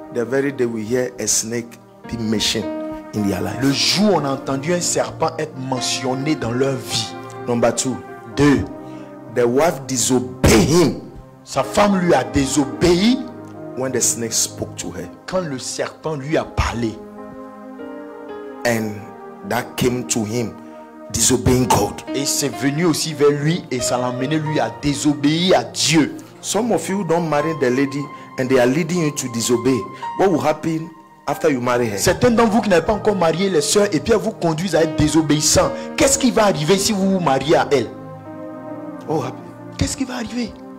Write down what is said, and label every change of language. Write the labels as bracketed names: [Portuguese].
[English] The very day we hear a snake be mentioned in their life. [French] Le jour où on a entendu un serpent être mentionné dans leur vie. [English] Number two, [French] deux, [English] the wife disobeyed him. [French] Sa femme lui a désobéi. [English] When the snake spoke to her, [French] quand le serpent lui a parlé, [English] and that came to him disobeying God, [French] et c'est venu aussi vers lui et ça l'a amené lui à désobéir à Dieu. [English] Some of you don't marry the lady and they are leading you to disobey. What will happen after you marry her? [French] Certains d'entre vous qui n'avez pas encore marié les soeurs et puis elles vous conduisent à être désobéissant. Qu'est-ce qui va arriver si vous vous mariez à elle? Oh, qu'est-ce qui va arriver?